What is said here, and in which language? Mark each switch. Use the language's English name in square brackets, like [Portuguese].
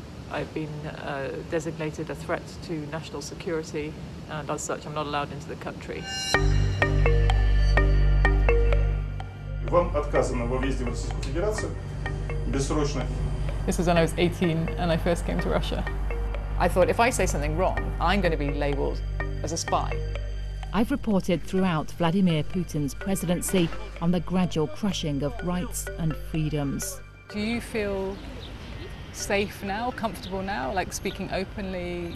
[English] I've been designated a threat to national security, and as such, I'm not allowed into the country. [Russian] Вам отказано во въезде в Российскую Федерацию бессрочно. [English] This was when I was 18 and I first came to Russia. I thought if I say something wrong, I'm going to be labelled as a spy. I've reported throughout Vladimir Putin's presidency on the gradual crushing of rights and freedoms. Do you feel safe now, comfortable now, like speaking openly?